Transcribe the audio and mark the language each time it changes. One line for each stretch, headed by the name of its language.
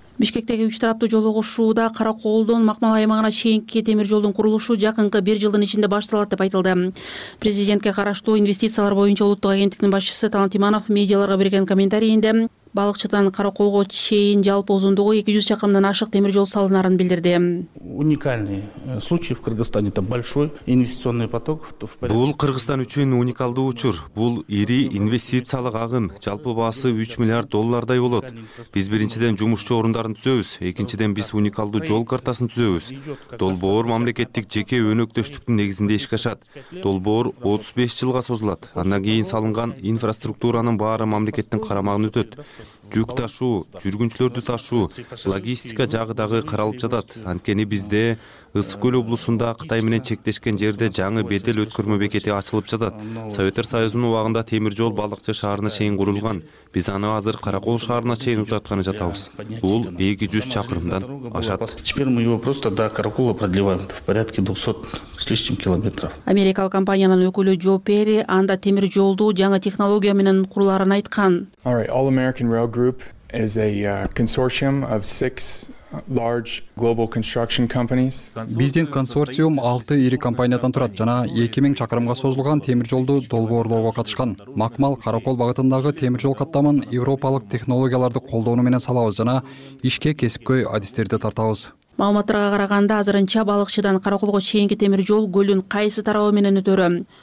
Kyrgyz: Бишкектеги үч тараптуу жол кошууда Каракоолдон Макмал аймагына чейинки темир жолдун курулушу жакынкы бир жылдын ичинде башталат деп айтылды. Президентке караштуу инвестициялар боюнча улуттук агенттиктин башчысы Талант Иманов медиаларга берген комментарийинде Балыкчыдан Караколго чейин жалпы узундугу 200 чакырымдан ашык темир жол салынарын билдирди.
Russian: Уникальный случай в Кыргызстане, это большой инвестиционный поток.
Kyrgyz: Бул Кыргызстан үчүн уникалдуу учур. Бул ири инвестициялык агым, жалпы баасы 3 миллиард доллардай болот. Биз биринчиден жумушчу орундарын түзөбүз, экинчиден биз уникалдуу жол картасын түзөбүз. Долбоор мамлекеттик жеке өнөктөштүктүн негизинде ишке ашат. Долбоор 35 жылга созулат. Андан кийин салынган инфраструктуранын баары мамлекеттин карамагына өтөт. Жүк ташуу, жүргүнчүлөрдү ташуу, логистика жагы дагы каралып жатат. Анткени бизде Ысык Көл облусунда Кытай менен чектешкен жерде жаңы бедел өткөрмө бекети ачылып жатат. Советтер Союзунун убагында темир жол Балыкчы шаарына чейин курулган. Биз аны азыр Каракол шаарына чейин узатканы жатабыз. Бул 200 чакырымдан ашат.
Russian: Теперь мы его просто до Каракола продлеваем. Это в порядке 200 с лишним километров.
Kyrgyz: Америкалык компаниянын өкүлү Джо Перри анда темир жолду жаңы технология менен куруларын айткан.
English: All American Rail Group is a consortium of 6 large global construction companies.
Kyrgyz: Биздин консорциум 6 ири компаниядан турат жана 2000 чакырымга созулган темир жолду долбоорлоого катышкан. Макмал Каракол багытындагы темир жол каттамын европалык технологияларды колдонуу менен салабыз жана ишке кесипкөй адистерди тартабыз. Маалыматтарга караганда азырынча Балыкчыдан Караколго чейинки темир жол көлдүн кайсы тарабы менен өтөрү?